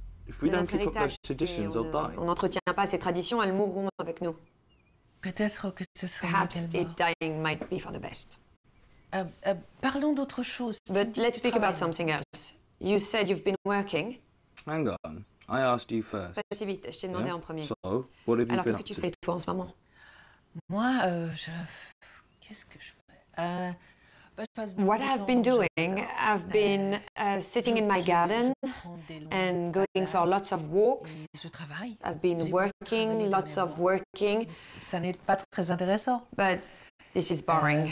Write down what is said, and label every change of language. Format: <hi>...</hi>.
<en>If we don't keep up those traditions, they'll die.</en> <fr>On n'entretient pas ces traditions, elles mourront avec nous. Peut-être que ce sera</fr> <en>perhaps it dying might be for the best.</en> <fr>Parlons d'autre chose.</fr> <en>But let's speak about something else. You said you've been working. Hang on, I asked you first.</en> <fr>Pas si vite, je t'ai demandé en premier.</fr> <en>So, what have you</en> <fr>alors,</fr> <en>been</en> <fr>qu'est-ce que tu fais toi en ce moment? Moi, qu'est-ce que je fais?</fr> <en>What I've been doing, I've been sitting in my garden and going for lots of walks. I've been working, lots of working.</en> <fr>Ça n'est pas très intéressant.</fr> <en>But this is boring.</en>